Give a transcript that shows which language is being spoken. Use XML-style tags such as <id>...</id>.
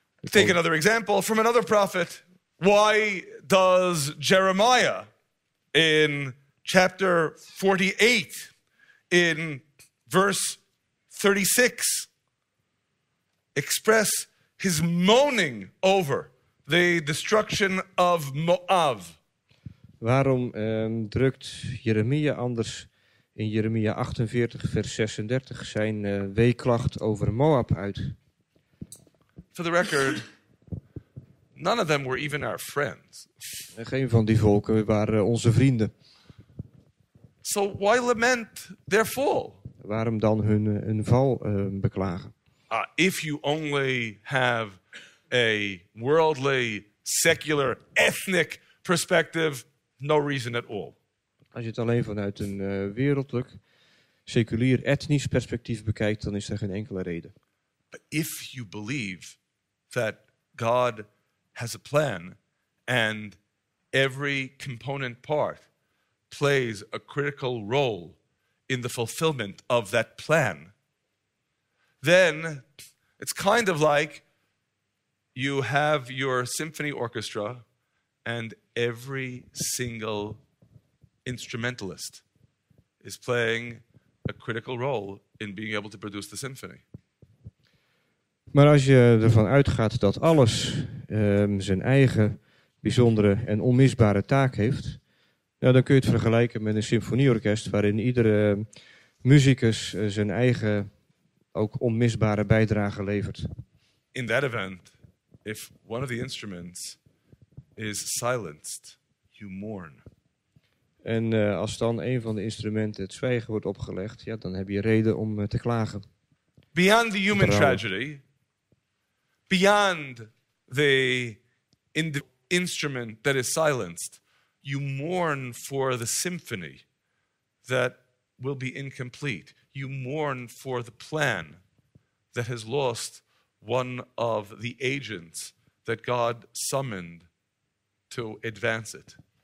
<en>Take another example from another prophet. Why does Jeremiah in chapter 48 in verse 36 express his moaning over the destruction of Moab?</en> <nl>Waarom drukt Jeremia anders in Jeremia 48, vers 36 zijn weeklacht over Moab uit?</nl> <en>For the record, none of them were even our friends.</en> <nl>Geen van die volken waren onze vrienden.</nl> <en>So why lament their fall?</en> <nl>Waarom dan hun val beklagen?</nl> <en>If you only have a worldly, secular, ethnic perspective, no reason at all.</en> <nl>Als je het alleen vanuit een wereldlijk, seculier, etnisch perspectief bekijkt, dan is er geen enkele reden.</nl> <en>But if you believe that God has a plan and every component part plays a critical role in the fulfillment of that plan, then it's kind of like you have your symphony orchestra and every single instrumentalist is playing a critical role in being able to produce the symphony.</en> <nl>Maar als je ervan uitgaat dat alles zijn eigen bijzondere en onmisbare taak heeft, nou, dan kun je het vergelijken met een symfonieorkest waarin iedere muzikus zijn eigen ook onmisbare bijdrage levert.</nl> <en>In that event, if one of the instruments is silenced, you mourn.</en> <nl>En als dan een van de instrumenten het zwijgen wordt opgelegd, ja, dan heb je reden om te klagen.</nl> <en>Beyond the human tragedy, beyond the instrument that is silenced, you mourn for the symphony that will be incomplete. You mourn for the plan that has lost one of the agents that God summoned to advance it.</en>